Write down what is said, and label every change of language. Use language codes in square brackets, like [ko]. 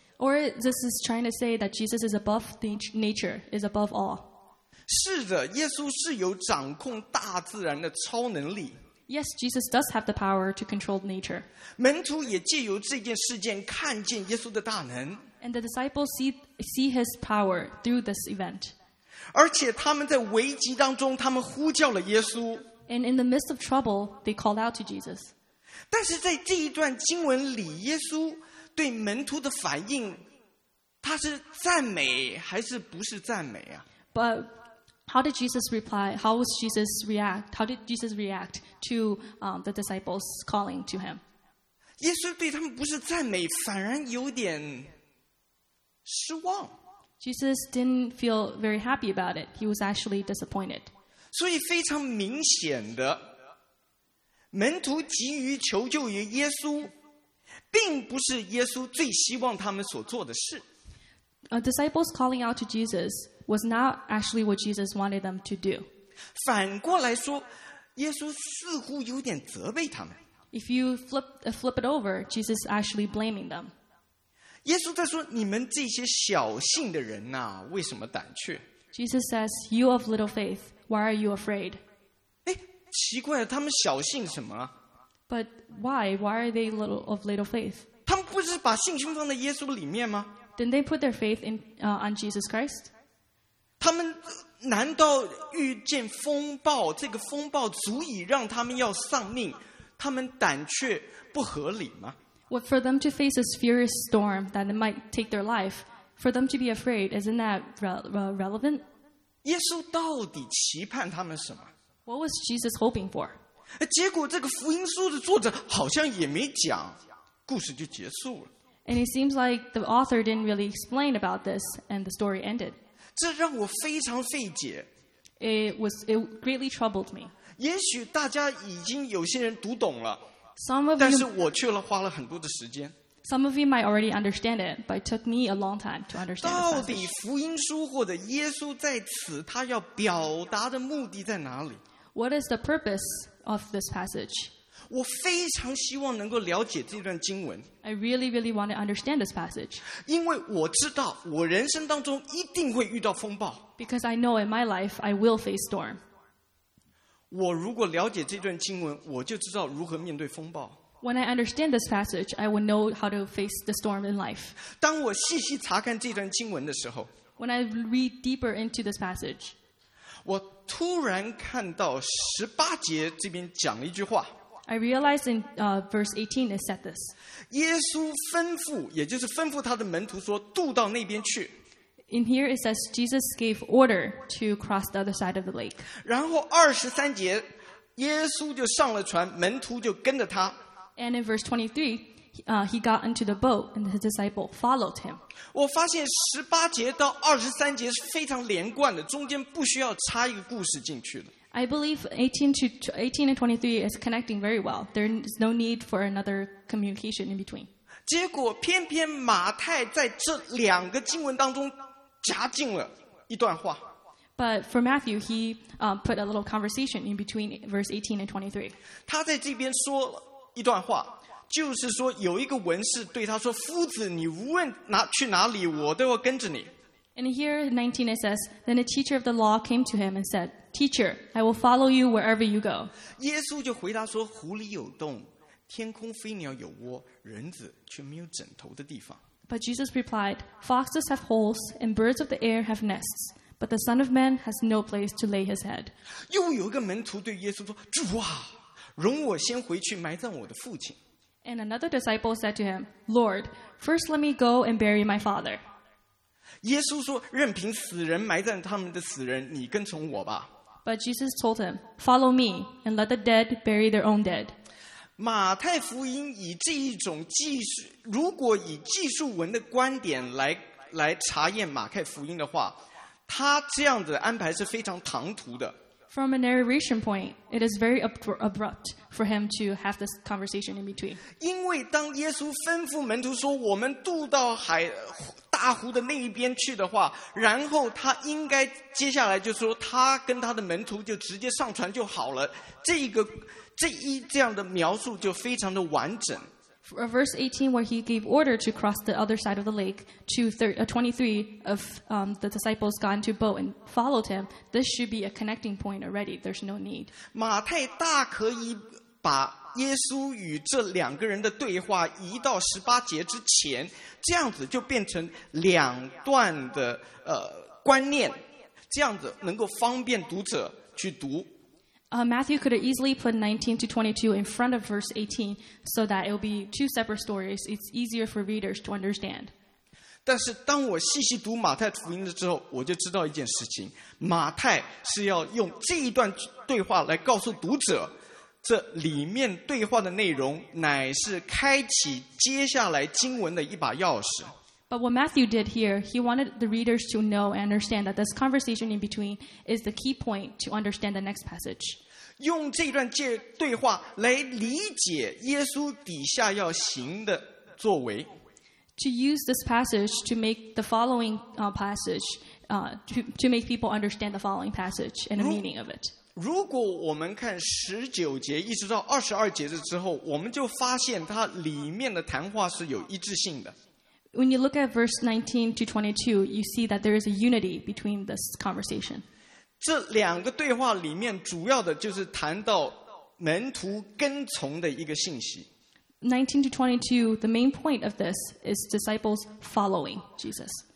[en] Or this is trying to say that Jesus is above nature, is above all. [zh] 是的，耶稣是有掌控大自然的超能力。 [en] Yes, Jesus does have the power to control nature. [zh] 门徒也借由这件事件看见耶稣的大能。 [en] And the disciples see his power through this event. [zh] 而且他们在危机当中，他们呼叫了耶稣。 [en] And in the midst of trouble, they called out to Jesus. [zh] 但是在这一段经文里，耶稣对门徒的反应，他是赞美还是不是赞美啊？ [en] But how did Jesus reply? How was Jesus react? How did Jesus react to the disciples calling to him? [zh] 耶稣对他们不是赞美，反而有点失望。 [en] Jesus didn't feel very happy about it. He was actually disappointed. [zh] 所以非常明显的，门徒急于求救于耶稣，并不是耶稣最希望他们所做的事。 [en] Disciples calling out to Jesus was not actually what Jesus wanted them to do. [zh] 反过来说，耶稣似乎有点责备他们。 [en] If you flip it over, Jesus is actually blaming them. [zh] 耶稣在说，你们这些小信的人啊，为什么胆怯？ [en] Jesus says, you of little faith, why are you afraid? [zh] 哎，奇怪了，他们小信什么？ [en] But why? Why are they little of little faith? [zh] 他们不是把信心放在耶稣里面吗？ [en] Didn't they put their faith in, on Jesus Christ? [zh] 他们难道遇见风暴，这个风暴足以让他们要丧命，他们胆怯不合理吗？ [en] What for them to face a furious storm that might take their life, for them to be afraid, isn't that relevant? [zh] 耶稣到底期盼他们什么？ [en] What was Jesus hoping for? [zh] 结果这个福音书的作者好像也没讲，故事就结束了。 [en] And it seems like the author didn't really explain about this, and the story ended. [zh] 这让我非常费解。 [en] It greatly troubled me. [zh] 也许大家已经有些人读懂了。 [en] Some of you, [zh] 但是我却了花了很多的时间。 [en] Some of you might already understand it, but it took me a long time to understand. [zh] 到底福音书或者耶稣在此他要表达的目的在哪里？ [en] What is the purpose of this passage? [zh] 我非常希望能够了解这段经文。 [en] I really, really want to understand this passage. [zh] 因为我知道我人生当中一定会遇到风暴。 [en] Because I know in my life I will face storm. [zh] 我如果了解这段经文，我就知道如何面对风暴。 [en] When I understand this passage, I will know how to face the storm in life. [zh] 当我细细查看这段经文的时候 [en] ，When I read deeper into this passage, [zh] 我突然看到十八节这边讲了一句话。 [en] I realized in verse 18 it said this. [zh] 耶稣吩咐，也就是吩咐他的门徒说，渡到那边去。 [en] In here it says Jesus gave order to cross the other side of the lake. [zh] 然后二十三节，耶稣就上了船，门徒就跟着他。 [en] And in verse 23, he got into the boat and his disciple followed him. [zh] 我发现十八节到二十三节是非常连贯的，中间不需要插一个故事进去的。 [en] I believe 18 and 23 is connecting very well. There is no need for another communication in between. [zh] 结果偏偏马太在这两个经文当中夹进了一段话。 [en] But for Matthew, he put a little conversation in between verse 18 and 23. [zh] 他在这边说一段话，就是说有一个文士对他说，夫子，你无论哪去哪里，我都要跟着你。 [en] And here 19 it says, then a teacher of the law came to him and said, Teacher, I will follow you wherever you go. [zh] 耶稣就回答说，狐狸有洞，天空飞鸟有窝，人子却没有枕头的地方。 [en] But Jesus replied, Foxes have holes and birds of the air have nests, but the Son of Man has no place to lay his head. [zh] 又有一个门徒对耶稣说，主啊，容我先回去埋葬我的父亲。 [en] And another disciple said to him, Lord, first let me go and bury my father. [zh] 耶稣说，任凭死人埋葬他们的死人，你跟从我吧。 [en] But Jesus told him, follow me, and let the dead bury their own dead. [zh] 马太福音以这一种技术，如果以技术文的观点 来查验马太福音的话，他这样的安排是非常唐突的。 [en] From a narration point, it is very abrupt for him to have this conversation in between. [zh] 因为当耶稣吩咐门徒说，我们渡到海大湖的那一边去的话，然后他应该接下来就说，他跟他的门徒就直接上船就好了。这样的描述就非常的完整。 [en] Verse 18, where he gave order to cross the other side of the lake, to 23 of the disciples got into a boat and followed him. This should be a connecting point already. There's no need. [zh] 马太大可以把耶稣与这两个人的对话移到十八节之前，这样子就变成两段的观念，这样子能够方便读者去读。 [en] Matthew could have easily put 19 to 22 in front of verse 18 so that it will be two separate stories. It's easier for readers to understand. [zh] 但是当我细细读马太福音的时候，我就知道一件事情，马太是要用这一段对话来告诉读者，这里面对话的内容乃是开启接下来经文的一把钥匙。 [en] But what Matthew did here, he wanted the readers to know and understand that this conversation in between is the key point to understand the next passage. [zh] 用这段对话来理解耶稣底下要行的作为。 [en] To use this passage to make the following passage, to make people understand the following passage and the meaning of it. [zh] 如果我们看十九节一直到二十二节之后，我们就发现它里面的谈话是有一致性的。 [en] When you look at verse 19 to 22, you see that there is a unity between this conversation. [zh] 这两个对话里面主要的就是谈到门徒跟从的一个信息。 [en] 19 to 22, the main point of this is disciples following Jesus.